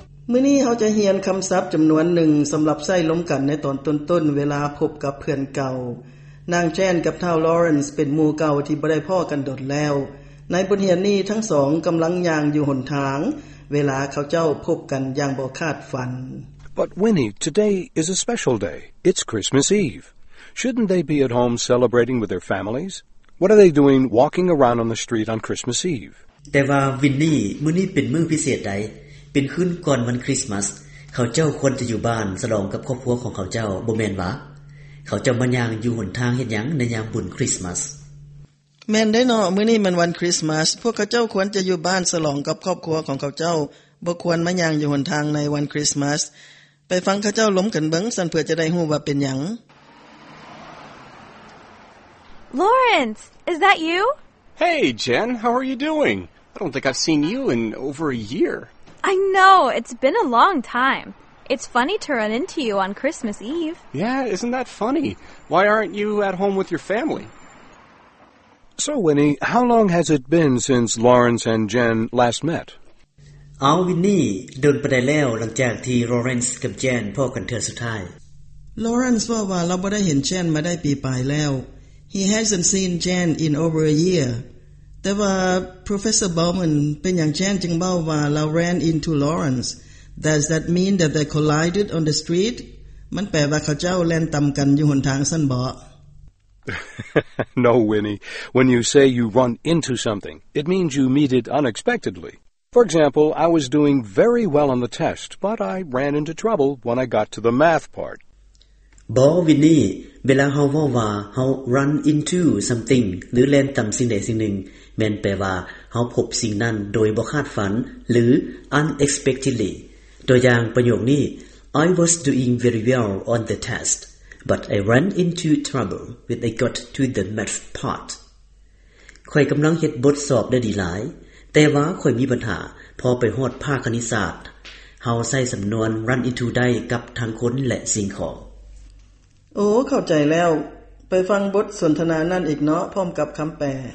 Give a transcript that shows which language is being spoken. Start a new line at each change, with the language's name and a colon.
Northeastern Thai: มื้อนี้เฮาจะเรียนคำศัพท์จำนวนหนึ่งสำหรับใช้ล้มกันในตอนต้นๆเวลาพบกับเพื่อนเก่านางเชนกับท้าวลอเรนซ์เป็นหมู่เก่าที่บ่ได้พ่อกันดนแล้วในบทเรียนนี้ทั้งสองกำลังย่างอยู่หนทางเวลาเขาเจ้าพบกันอย่างบ่คาดฝัน
English: But Winnie, today is a special day. It's Christmas Eve. Shouldn't they be at home celebrating with their families? What are they doing walking around on the street on Christmas Eve?
Northeastern Thai: แต่ว่า Winnie, มื้อนี้เป็นมื้อพิเศษใดเป็นคืนก่อนวันคริสต์มาสเขาเจ้าควรจะอยู่บ้านฉลองกับครอบครัวของเขาเจ้าบ่แม่นวะเขาจะมาย่างอยู่หนทางเฮ็ดหยังในยามบุญคริสต์มาส แม่นได้เนาะมื้อนี้มันวันคริสต์มาสพวกเขาเจ้าควรจะอยู่บ้านฉลองกับครอบครัวของเขาเจ้าบ่ควรมาย่างอยู่หนทางในวันคริสต์มาสไปฟังเขาเจ้าล้มกันเบิ่งซั่นเพื่อจะได้ฮู้ว่าเป็นหยัง
English: Lawrence, is that you? Hey, Jen, how are you doing? I don't think I've seen you in over a year. I know, it's been a long time. It's funny to run into you on Christmas Eve. Yeah, isn't that funny? Why aren't you at home with your family? So, Winnie, how long has it been since Lawrence and Jen last met?
Northeastern Thai: เอาวินนี่เดินไปได้แล้วหลังจากที่ลอเรนซ์กับเจนพ่อกันเทือสุดท้าย ลอเรนซ์ว่าว่าเราไม่ได้เห็นเจนมาได้ปีปลายแล้ว
English: He hasn't seen Jen in over a year
Northeastern Thai: แต่ว่า
English: Professor Bowman
Northeastern Thai: เป็นอย่างเจนจึงเบ้าว่าเรา
English: ran into Lawrence Does that mean that they collided on the street?
Northeastern Thai: มันแปลว่าเขาเจ้าแล่นตำกันอยู่หนทางสั้นบ่
English: No, Winnie. When you say you run into something, it means you meet it unexpectedly. For example, I was doing very well on the test, but I ran into trouble when I got to the math part.
Northeastern Thai: บอวินนี่เวลาเฮาว่าว่าเฮา
English: run into something
Northeastern Thai: หรือแล่นตำสิ่งใดสิ่งหนึ่งแม่นแปลว่าเฮาพบสิ่งนั้นโดยบ่คาดฝันหรือ unexpectedly. ตัวอย่างประโยคนี้
English: I was doing very well on the test, but I ran into trouble when I got to the math part.
Northeastern Thai: ข่อยกำลังเฮ็ดบทสอบได้ดีหลายแต่ว่าข่อยมีปัญหาพอไปฮอดภาคคณิตศาสตร์เฮาใช้สำนวน run into ได้กับทั้งคนและสิ่งของ โอ้เข้าใจแล้วไปฟังบทสนทนานั่นอีกเนาะพร้อมกับคำแปล